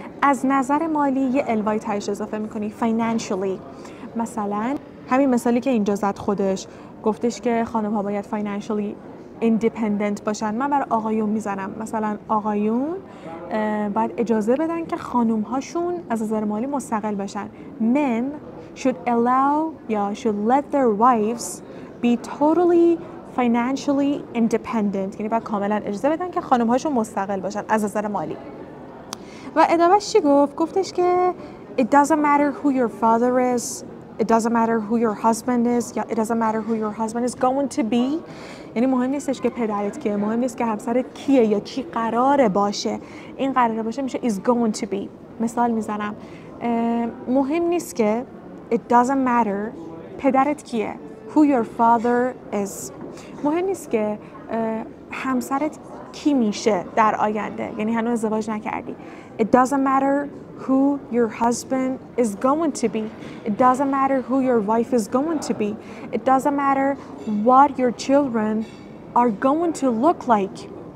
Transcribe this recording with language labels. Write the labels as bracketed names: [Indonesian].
[Persian] از نظر مالی یه الوای تهش اضافه میکنی. [English] Financially. [Persian] مثلا همین مثالی که اینجا زد خودش، گفتش که خانم ها باید [English] financially independent [Persian] باشن، من برای آقایون میزنم. مثلا آقایون باید اجازه بدن که خانم هاشون از نظر مالی مستقل باشن. [English] Men should allow [Persian] یا [English] should let their wives be totally financially independent. [Persian] یعنی باید کاملا اجازه بدن که خانم هاشون مستقل باشن از نظر مالی. و ادامهش چی گفت؟ گفتش که [English] it doesn't matter who your father is, it doesn't matter who your husband is, yeah, it doesn't matter who your husband is going to be. [Persian] یعنی مهم نیستش که پدرت کیه، مهم نیست که همسرت کیه یا کی قراره باشه. این قراره باشه میشه [English] is going to be. [Persian] مثال میزنم، مهم نیست که [English] it doesn't matter [Persian] پدرت کیه، [English] who your father is. [Persian] مهم نیست که همسرت کی میشه در آینده، یعنی هنوز ازدواج نکردی. [English] It doesn't matter who your husband is going to be. It doesn't matter who your wife is going to be. It doesn't matter what your children are going to look like.